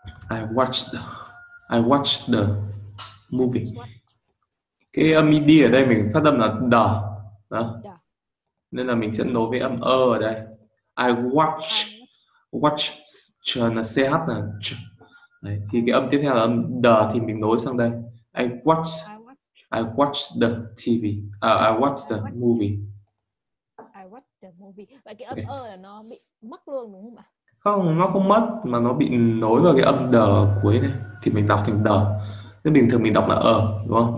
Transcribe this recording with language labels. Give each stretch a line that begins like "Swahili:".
English: I watched the movie.
Vietnamese: Cái âm đi ở đây mình phát âm là đờ. Đó. Nên là mình sẽ nối với âm ơ ở đây.
English: I watch.
Vietnamese: Watch là CH nè. Đấy. Thì cái âm tiếp theo là âm đờ thì mình nối sang đây.
English: I watch the TV. I watch the movie. I watch the movie.
Vietnamese: vì vậy cái âm ơ là nó bị mất luôn đúng không ạ? Không, nó không mất mà nó bị nối vào cái âm đờ cuối này thì mình đọc thành đờ. Nên bình thường mình đọc là ờ, đúng không?